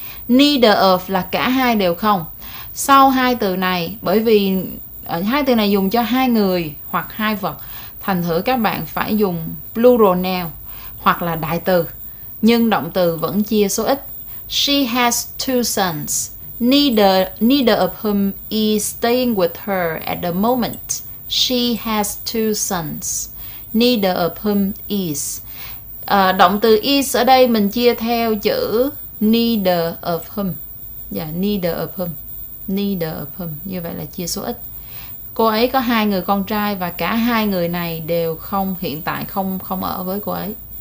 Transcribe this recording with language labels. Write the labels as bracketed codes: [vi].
[vi] Neither of là cả hai đều không. Sau hai từ này, bởi vì hai từ này dùng cho hai người hoặc hai vật, thành thử các bạn phải dùng plural noun hoặc là đại từ, nhưng động từ vẫn chia số ít. [en] She has two sons. Neither of whom is staying with her at the moment. She has two sons. Neither of whom is. [vi] Động từ is ở đây mình chia theo chữ neither of whom. [en] Yeah, neither of whom. Neither of whom. [vi] Như vậy là chia số ít. Cô ấy có hai người con trai và cả hai người này đều không, hiện tại không ở với cô ấy.